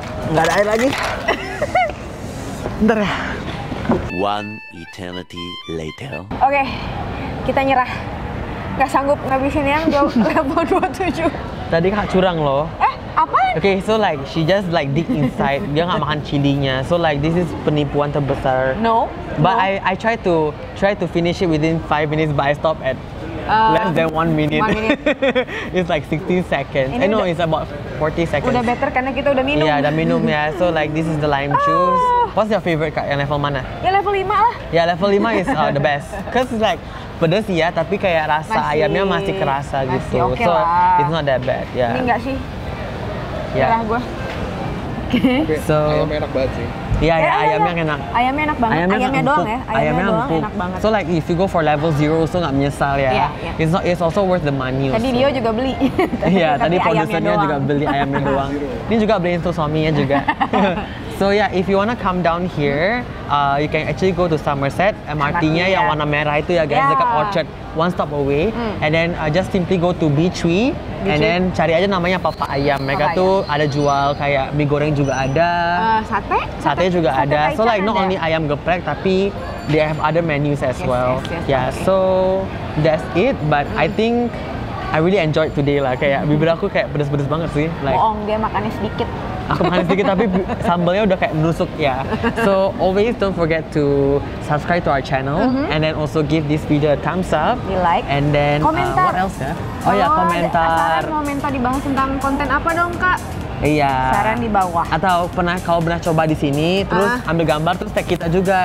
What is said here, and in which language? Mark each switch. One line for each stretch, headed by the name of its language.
Indonesian: Enggak ada air lagi. Bentar ya.
English: One eternity later.
Indonesian: Okay, kita nyerah. Gak sanggup ngabisin yang level 27. Tadi kak curang loh. Apa?
English: Okay, so like she just like dig inside.
Indonesian: Dia nggak makan cilinya.
English: So like this is
Indonesian: penipuan terbesar.
English: No. But no. I try to finish it within 5 minutes, but I stop at less than 1 minute. It's like 16 seconds. I know it's about 40 seconds.
Indonesian: Udah better karena kita udah minum.
English: Yeah,
Indonesian: udah minum ya.
English: So like this is the lime juice. What's your favorite kak?
Indonesian: Yang level mana? Ya level 5 lah.
English: Ya yeah, level 5 is the best. Cause it's like
Indonesian: pedes ya, tapi kayak rasa masih, ayamnya masih kerasa masih gitu.
English: Okay, so
Indonesian: lah.
English: It's not that bad. Yeah.
Indonesian: Ini enggak sih. Ya. Yeah. Gua.
English: Okay.
Indonesian: So ayamnya enak banget sih. Iya, yeah, ayamnya enak. Ayamnya enak banget. Ayamnya doang empuk.
English: So like if you go for level 0 so
Indonesian: enggak menyesal ya.
English: Yeah. It's not, it's also worth the money.
Indonesian: Tadi Leo juga beli. Iya, yeah, tadi produsernya juga beli ayamnya doang. Ini juga beliin tuh suaminya juga.
English: So yeah, if you wanna come down here, you can actually go to Somerset, MRT-nya yeah.
Indonesian: Yang warna merah itu ya guys, yeah. Dekat Orchard,
English: one stop away. And then just simply go to B3, and then
Indonesian: cari aja namanya Papa Ayam. Mereka Papa tuh ayam. Ada jual kayak mie goreng juga ada. Sate juga ada.
English: So like not only ayam geprek, tapi they have other menus as well. Yes, okay. So that's it, but I think I really enjoyed today lah.
Indonesian: Kayak bibir aku kayak pedes-pedes banget sih. Like, boong, dia makannya sedikit. Aku makan sedikit tapi sambalnya udah kayak nusuk ya.
English: So always don't forget to subscribe to our channel, mm-hmm. And then also give this video a thumbs up. You like. And then
Indonesian: komentar.
English: What else ya?
Indonesian: Oh ya komentar. Saran mau minta dibahas tentang konten apa dong kak? Iya. Yeah. Saran di bawah. Atau pernah kalau pernah coba di sini, terus ambil gambar terus tag kita juga.